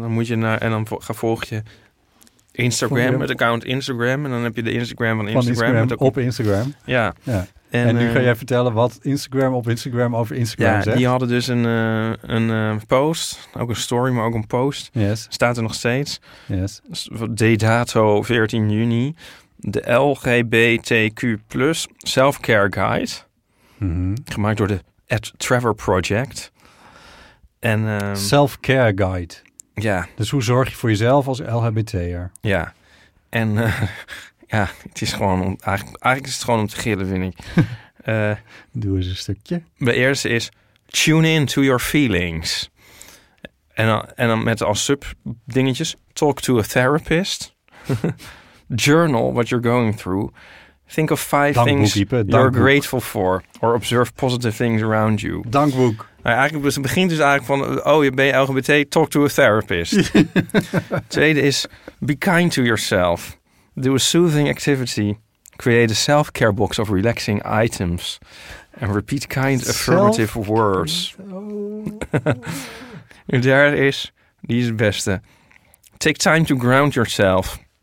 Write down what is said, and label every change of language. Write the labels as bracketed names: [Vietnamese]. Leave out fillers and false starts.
[Dutch] Dan moet je naar, en dan volg je Instagram, het account Instagram. En dan heb je de Instagram van Instagram. Van Instagram met op Instagram. Ja. Ja. En nu ga jij vertellen wat Instagram op Instagram over Instagram zegt. Ja, die hadden dus een post. Ook een story, maar ook een post. [English] Yes. [Dutch] Staat er nog steeds. [English] Yes. [Dutch] De dato 14 juni. [English] De LGBTQ plus self-care guide. Mm-hmm. [Dutch] Gemaakt door de At Trevor Project. En [English] self-care guide. [Dutch] Ja. Dus hoe zorg je voor jezelf als LHBT'er? Ja. En ja, het is gewoon om, eigenlijk is het gewoon om te gillen, vind ik. Doe eens een stukje. De eerste is [English] tune in to your feelings. [Dutch] En dan met als sub dingetjes [English] talk to a therapist. Journal what you're going through. Think of five things you're grateful for. Or observe positive things around you. [Dutch] Dankboek. Nou, eigenlijk het begint dus eigenlijk van, oh, je bent LGBT, [English] talk to a therapist. [Dutch] Tweede is, [English] be kind to yourself. Do a soothing activity. Create a self-care box of relaxing items. And repeat kind affirmative words. [Dutch] De derde is, die is het beste. [English] Take time to ground yourself.